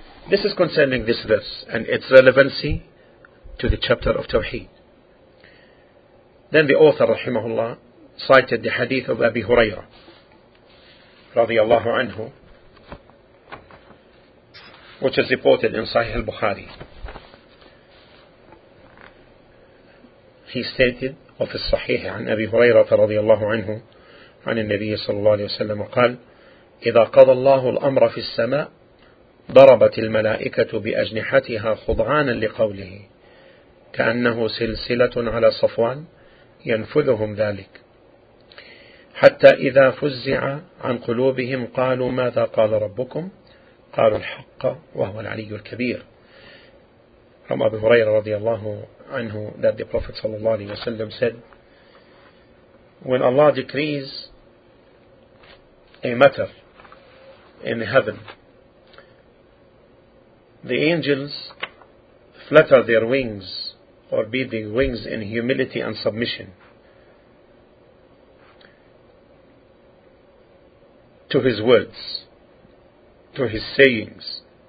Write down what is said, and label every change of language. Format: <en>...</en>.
<en>This is concerning this verse and its relevancy to the chapter of Tawheed. Then the author, rahimahullah, cited the hadith of Abi Hurairah, radiyallahu anhu, which is reported in Sahih al-Bukhari. He stated, of the Sahih,</en> <ar>عن أبي هريرة رضي الله عنه عن النبي صلى الله عليه وسلم قال إذا قضى الله الأمر في السماء ضربت الملائكة بأجنحتها خضعانا لقوله كأنه سلسلة على صفوان ينفذهم ذلك حتى إذا فزع عن قلوبهم قالوا ماذا قال ربكم قالوا الحق وهو العلي الكبير.</ar> <en>From Abu Hurairah radiallahu anhu, that the Prophet sallallahu alayhi wasallam said, when Allah decrees a matter in heaven, the angels flutter their wings or beat their wings in humility and submission to His words, to His sayings.</en>